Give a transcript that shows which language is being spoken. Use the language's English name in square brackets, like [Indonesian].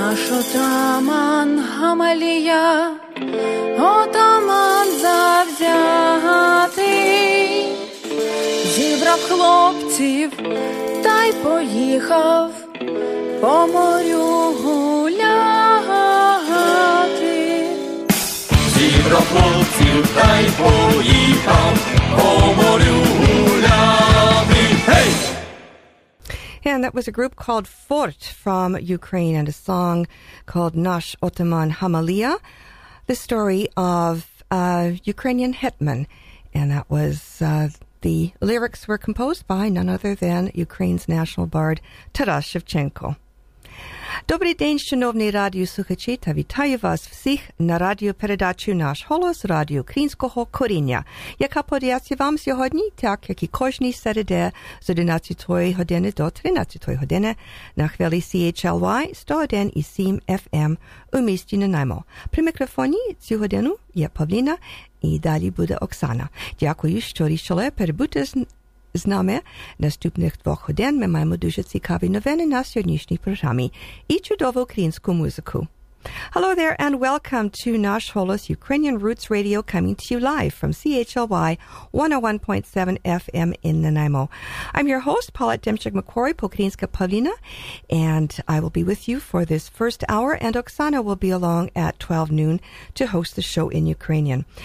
[Ukrainian] Отаман Гамалія, отаман завзятий, зібрав хлопців та й поїхав по морю гуляти. Зібрав хлопців та й поїхав по морю гуляти. [English] Hey! And that was a group called Fort from Ukraine and a song called Nash Otaman Hamalia, the story of Ukrainian hetman. And that was, the lyrics were composed by none other than Ukraine's national bard, Taras Shevchenko. [Ukrainian] Добрий день, шановні радіослухачі, та вітаю вас всіх на радіопередачі «Наш голос» радіо Українського коріння, яка подається вам сьогодні, так як і кожні середи з 11-ї години до 13-ї години на хвилі CHLY 101.7 FM у місті Нанаймо. При мікрофоні цю годину є Павліна і далі буде Оксана. Дякую, що рішили перебути з нами наступних двох годин. Ми маємо дуже цікаві новини на сьогоднішній програмі і чудову українську музику. [English] Hello there and welcome to Nash Holos Ukrainian Roots Radio, coming to you live from CHLY 101.7 FM in Nanaimo. I'm your host, Paulette Demchuk-McQuarrie, Pokrinska Pavlina, and I will be with you for this first hour, and Oksana will be along at 12 noon to host the show in Ukrainian.